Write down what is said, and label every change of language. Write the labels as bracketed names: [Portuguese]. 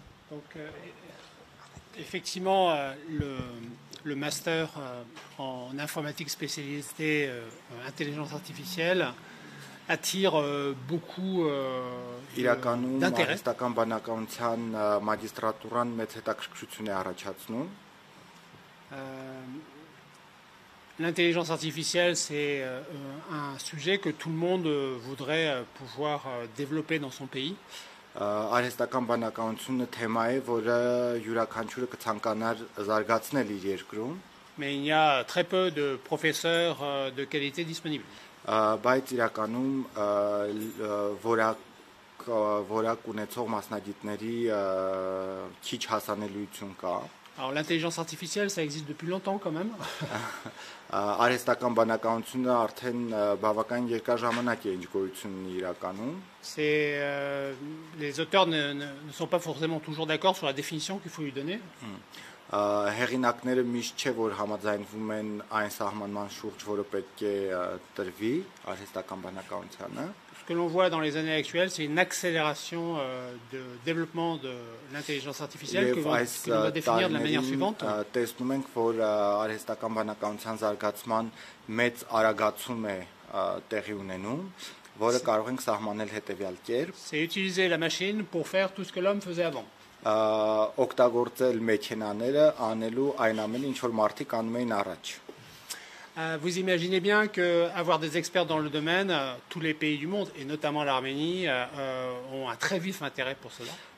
[French] Donc, effectivement, le master en informatique spécialisée intelligence artificielle attire beaucoup d'intérêt. Il a connu magistrature mais c'est accrucié à Rachatsnou. L'intelligence artificielle, c'est un sujet que tout le monde voudrait pouvoir développer dans son pays. [Armenian] Արհեստական բանականությունը թեմա է, որը յուրաքանչյուրը կցանկանար զարգացնել իր երկրում։ [French] Mais il y a très peu de professeurs de qualité disponibles. [Armenian] Բայց իրականում որակ ունեցող մասնագետների քիչ հասանելիություն կա։ [French] Alors, l'intelligence artificielle, ça existe depuis longtemps quand même. [Armenian] Արհեստական բանականությունը արդեն բավական երկար ժամանակ է ինչ գործունեություն իրականում։ [French] C'est les auteurs ne sont pas forcément toujours d'accord sur la définition qu'il faut lui donner. [Armenian] Հեղինակները միշտ չէ, որ համաձայնվում են այն սահմանման շուրջ, որը պետք է տրվի արհեստական բանականությանը։ [French] Ce que l'on voit dans les années actuelles, c'est une accélération de développement de l'intelligence artificielle que l'on va définir de la manière suivante. [Armenian] Տեսնում ենք, որ արհեստական բանականության զարգացման մեծ արագացում է տեղի ունենում, որը կարող ենք սահմանել հետևյալ կերպ. [French] C'est utiliser la machine pour faire tout ce que l'homme faisait avant. [Armenian] Օգտագործել մեքենաները անելու այն ամենը, ինչ որ մարդիկ անում էին առաջ. [French] Vous imaginez bien qu'avoir des experts dans le domaine, tous les pays du monde, et notamment l'Arménie, ont un très vif intérêt pour cela.